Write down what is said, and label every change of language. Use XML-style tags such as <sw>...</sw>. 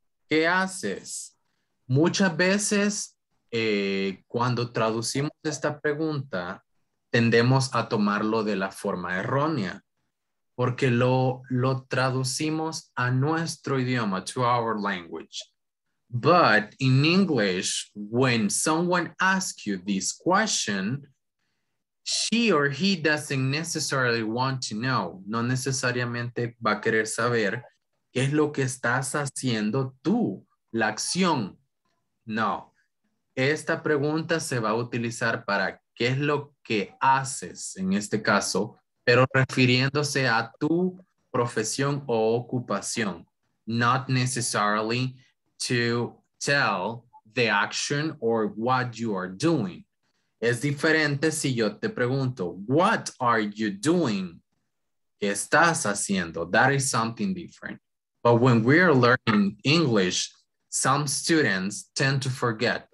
<es>¿Qué haces? Muchas veces cuando traducimos esta pregunta, tendemos a tomarlo de la forma errónea porque lo traducimos a nuestro idioma,</es> <en>to our language. But in English, when someone asks you this question, she or he doesn't necessarily want to know.</en> <es>No necesariamente va a querer saber qué es lo que estás haciendo tú, la acción. No. Esta pregunta se va a utilizar para qué es lo que haces en este caso, pero refiriéndose a tu profesión o ocupación.</es> <en>Not necessarily to tell the action or what you are doing.</en> <es>Es diferente si yo te pregunto,</es> <en>what are you doing?</en> <es>¿Qué estás haciendo?</es> <en>That is something different. But when we are learning English, some students tend to forget.</en>